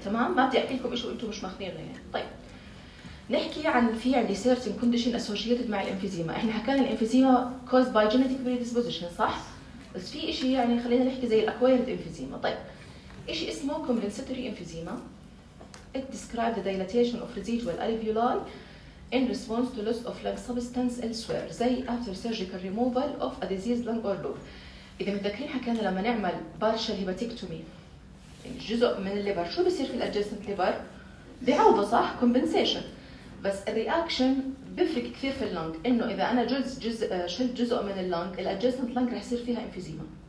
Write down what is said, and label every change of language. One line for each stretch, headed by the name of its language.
Arabic: تمام، ما بدي احكي لكم شيء وانتم مش ماخذينه. يعني طيب نحكي عن في عندي سيرتين كونديشن اسوشيتد مع الانفيزيما. احنا حكينا الانفيزيما كوز باي جينيتيك بريديسبوزيشن، صح؟ بس في شيء يعني خلينا نحكي زي الاكوايرد انفيزيما. طيب ايش اسمه كومبنساتوري انفيزيما؟
English: It describes the dilatation of residual alveoli in response to loss of lung substance elsewhere, زي after surgical removal of a diseased lung or lobe.
Arabic: اذا متذكرين حكينا لما نعمل partial hepaticotomy جزء من الليبر شو بصير في الادجسنت ليبر؟ بيعوضه، صح؟ كومبنسيشن. بس الرياكشن بيفرق كثير في اللنج، انه اذا انا جزء شلت جزء من اللنج، الادجسنت لنج رح يصير فيها انفيزيما.